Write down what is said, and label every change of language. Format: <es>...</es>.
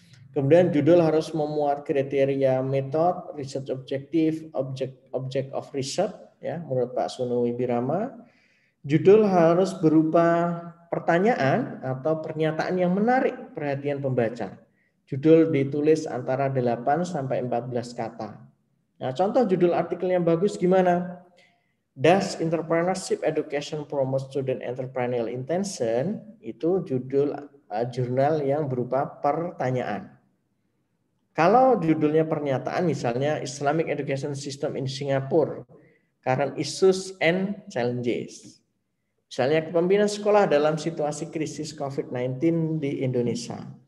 <id>Kemudian judul harus memuat kriteria metode,</id> <en>research objective, object of research</en> <id>ya, menurut Pak Suno Wibirama. Judul harus berupa pertanyaan atau pernyataan yang menarik perhatian pembaca. Judul ditulis antara 8 sampai 14 kata. Nah, contoh judul artikel yang bagus gimana?</id> <en>Does entrepreneurship education promote student entrepreneurial intention?</en> <id>Itu judul jurnal yang berupa pertanyaan. Kalau judulnya pernyataan, misalnya</id> <en>Islamic Education System in Singapore, current issues and challenges.</en> <id>Misalnya kepemimpinan sekolah dalam situasi krisis COVID-19 di Indonesia.</id>